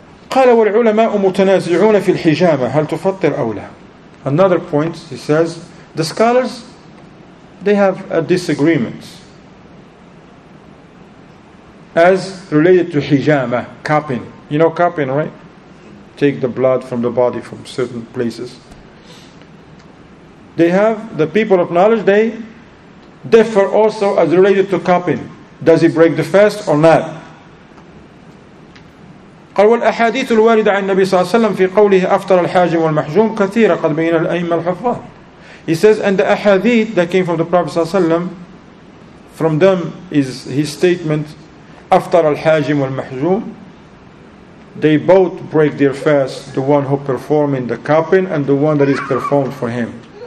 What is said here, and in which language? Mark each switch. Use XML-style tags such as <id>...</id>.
<ar>قال والعلماء متنازعون في الحجامة هل تفطر أو لا.</ar> <en>Another point, he says, the scholars, they have a disagreement as related to hijama, cupping. You know cupping, right? Take the blood from the body from certain places. They have, the people of knowledge, they differ also as related to cupping. Does it break the fast or not?</en> <ar>قال والأحاديث الواردة عن النبي صلى الله عليه وسلم في قوله أفطر الحاجم والمحجوم كثيرة قد بين الأئمة الحفاظ.</ar> <en>He says, and the ahadith that came from the Prophet صلى الله عليه وسلم, from them is his statement,</en> <ar>أفطر الحاجم والمحجوم.</ar> <en>They both break their fast, the one who performing the cupping and the one that is performed for him.</en>